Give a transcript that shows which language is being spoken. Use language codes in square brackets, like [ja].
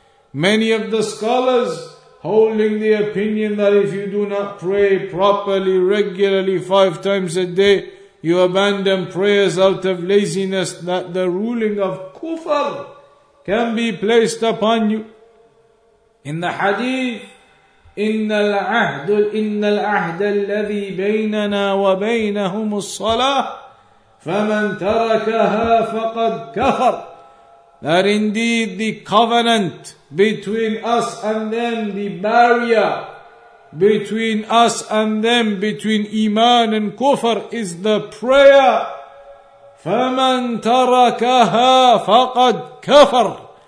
[en] Many of the scholars holding the opinion that if you do not pray properly, regularly, five times a day, you abandon prayers out of laziness, that the ruling of kufr can be placed upon you. In the hadith, [ar] إِنَّ الْعَهْدَ الَّذِي بَيْنَنَا وَبَيْنَهُمُ الصَّلَاةِ فَمَنْ تَرَكَهَا فَقَدْ كَفَرْ. [en] That indeed the covenant between us and them, the barrier between us and them, between iman and kufr, is the prayer. [ar] فَمَنْ تَرَكَهَا فَقَدْ كَفَرْ.